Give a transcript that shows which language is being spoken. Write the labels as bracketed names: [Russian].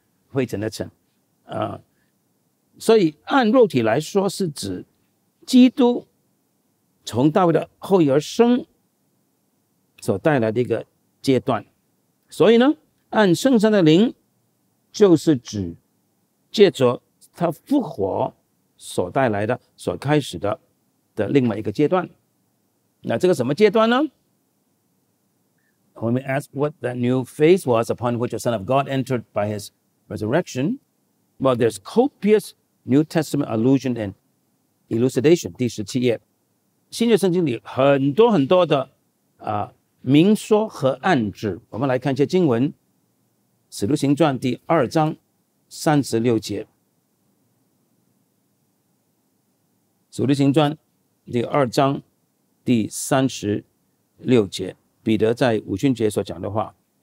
[Chinese] 灰尘的尘，所以按肉体来说是指基督从大卫的后裔而生所带来的一个阶段。所以呢，按圣神的灵就是指借着他复活所带来的所开始的另外一个阶段。那这个什么阶段呢？ [English] When we ask what that new phase was upon which the Son of God entered by his resurrection, well, there's copious New Testament allusion and elucidation. [Chinese] 第十七页，新约圣经里很多很多的明说和暗指。我们来看一些经文，使徒行传第二章三十六节，使徒行传第二章第三十六节，彼得在五旬节所讲的话，